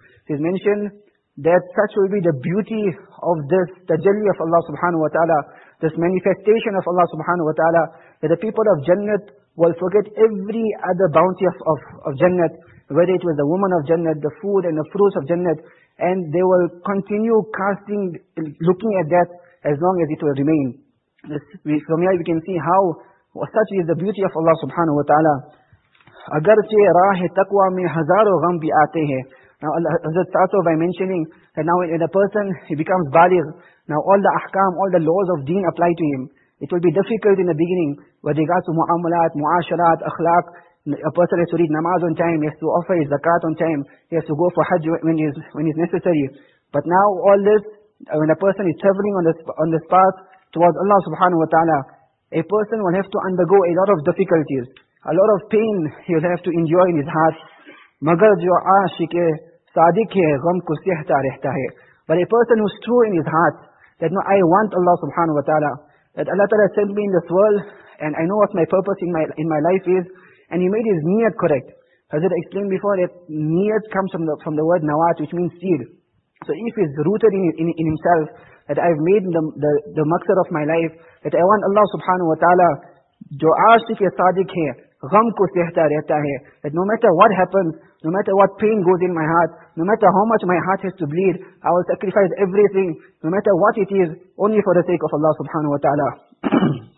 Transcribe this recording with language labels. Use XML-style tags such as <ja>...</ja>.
<en>It is mentioned that such will be the beauty of this tajalli of Allah subhanahu wa ta'ala, this manifestation of Allah subhanahu wa ta'ala, that the people of Jannat will forget every other bounty of Jannat, whether it was the woman of Jannat, the food and the fruits of Jannat, and they will continue casting, looking at that as long as it will remain. From here we can see how such is the beauty of Allah subhanahu wa ta'ala.</en> <ur>اگرچہ راہِ تقویٰ میں ہزاروں غم بھی آتے ہیں.</ur> <en>Now Hazrat starts off by mentioning that now when a person, he becomes baligh, now all the ahkam, all the laws of deen apply to him. It will be difficult in the beginning with regards to mu'amalat, mu'asharat, akhlaq. A person has to read namaz on time, he has to offer his zakat on time, he has to go for hajj when it's necessary. But now all this, when a person is traveling on this path towards Allah subhanahu wa ta'ala, a person will have to undergo a lot of difficulties, a lot of pain he will have to endure in his heart.</en> <ur>مگر جو عاشق صادق ہے غم کو سہتا رہتا ہے.</ur> <en>But a person who is true in his heart, that no, I want Allah subhanahu wa ta'ala, that Allah ta'ala sent me in this world, and I know what my purpose in my life is, and he made his niyat correct. Hazrat explained before that niyat comes from the word nawat, which means seed. So if he's rooted in himself, that I've made the maqsad of my life, that I want Allah subhanahu wa ta'ala,</en> <ur>جو عاشق صادق ہے غم کو سہتا رہتا ہے,</ur> <en>that no matter what happens, no matter what pain goes in my heart, no matter how much my heart has to bleed, I will sacrifice everything, no matter what it is, only for the sake of Allah subhanahu wa ta'ala.</en>